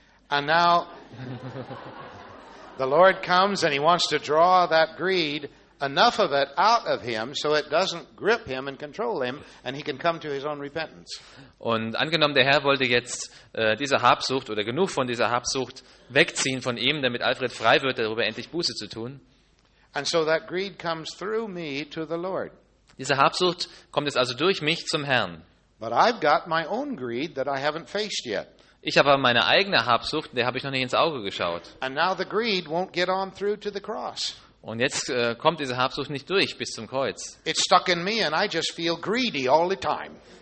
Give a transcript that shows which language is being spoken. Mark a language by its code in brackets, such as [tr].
[de] Und jetzt der Herr kommt und will diese Habsucht ziehen. [en] Enough of it out of him, so it doesn't grip him and control him, and he can come to his own repentance. [de] Und angenommen, der Herr wollte jetzt diese Habsucht oder genug von dieser Habsucht wegziehen von ihm, damit Alfred frei wird, darüber endlich Buße zu tun. [en] And so that greed comes through me to the Lord. [de] Diese Habsucht kommt jetzt also durch mich zum Herrn. [en] But I've got my own greed that I haven't faced yet. [de] Ich habe aber meine eigene Habsucht, der habe ich noch nicht ins Auge geschaut. [en] And now the greed won't get on through to the cross. [de] Und jetzt kommt diese Habsucht nicht durch bis zum Kreuz. [en] It's stuck in me and I just feel greedy all the time.